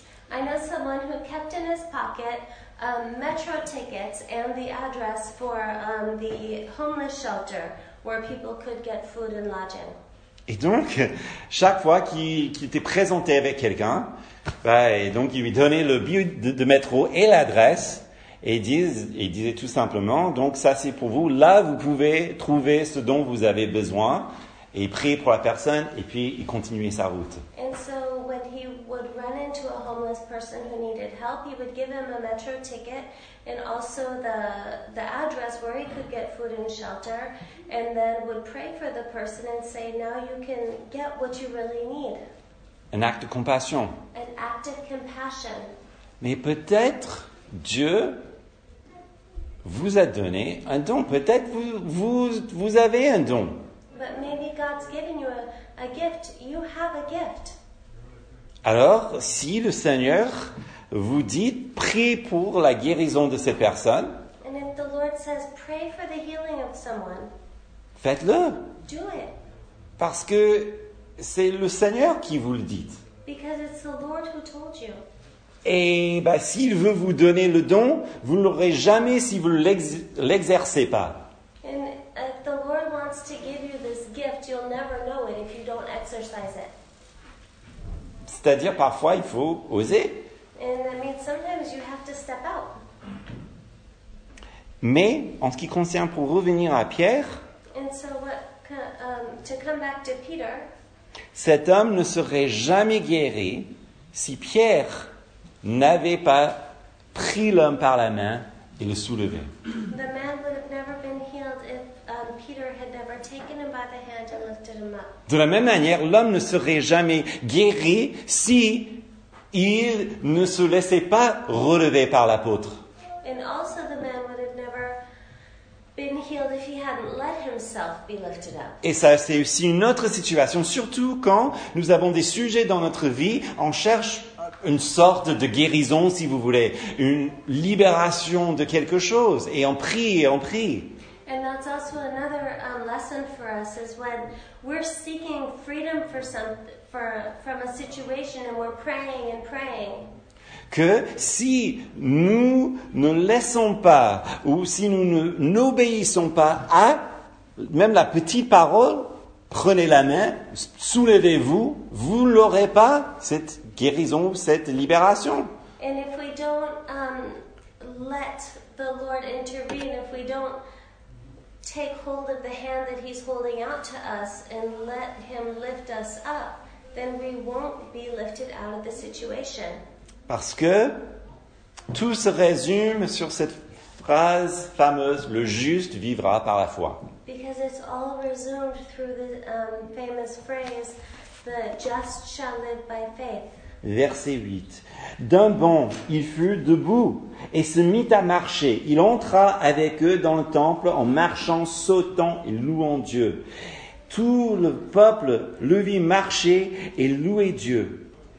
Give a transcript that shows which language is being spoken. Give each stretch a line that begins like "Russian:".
English: I know someone who kept in his pocket metro tickets and the address for the homeless shelter where people could get food and lodging.
French: Et donc, chaque fois qu'il était présenté avec quelqu'un, et donc il lui donnait le billet de métro et l'adresse, et il disait tout simplement, donc ça c'est pour vous, là vous pouvez trouver ce dont vous avez besoin, et prier pour la personne, et puis il continuait sa route.
English: And so when he would run into a homeless person who needed help, he would give him a metro ticket, and also the address where he could get food and shelter, and then would pray for the person and say, now you can get what you really need.
French: Un acte de compassion.
English: An act of compassion.
French: Mais peut-être Dieu vous a donné un don. Peut-être vous avez un don.
English: But maybe God's given you a gift. You have a gift.
French: Alors, si le Seigneur vous dit, priez pour la guérison de cette personne.
English: And if the Lord says, pray for the healing of someone.
French: Faites-le.
English: Do it.
French: Parce que c'est le Seigneur qui vous le dit.
English: Because it's the Lord who told you.
French: Et s'il veut vous donner le don, vous ne l'aurez jamais si vous ne l'exercez pas.
English: And if the Lord wants to give you this gift, you'll never know it if you don't exercise it.
French: C'est-à-dire, parfois, il faut oser.
English: And that means sometimes you have to step out.
French: Mais, en ce qui concerne, pour revenir à Pierre,
English: and so what, to come back to Peter,
French: cet homme ne serait jamais guéri si Pierre n'avait pas pris l'homme par la main et le soulevé.
English: The man would have never been healed if Peter had never taken him by the hand and lifted him up.
French: De la même manière, l'homme ne serait jamais guéri si il ne se laissait pas relever par l'apôtre.
English: And also the man would have never been healed if he hadn't let himself be lifted up.
French: Et ça, c'est aussi une autre situation, surtout quand nous avons des sujets dans notre vie, on cherche une sorte de guérison, si vous voulez, une libération de quelque chose. Et on prie, et on prie.
English: And that's also another lesson for us, is when we're seeking freedom from a situation and we're praying and praying.
French: Que si nous ne laissons pas, ou si nous n'obéissons pas à même la petite parole, prenez la main, soulevez-vous, vous n'aurez pas cette guérison, cette libération.
English: And if we don't let the Lord intervene, if we don't take hold of the hand that he's holding out to us and let him lift us up, then we won't be lifted out of the situation.
French: Parce que tout se résume sur cette phrase fameuse, le juste vivra par la foi.
English: Because it's all resumed through the famous phrase, the just shall live by faith.
French: verset 8. D'un bond, il fut debout et se mit à marcher. Il entra avec eux dans le temple en marchant, sautant et louant Dieu. Tout le peuple le vit marcher et louer Dieu.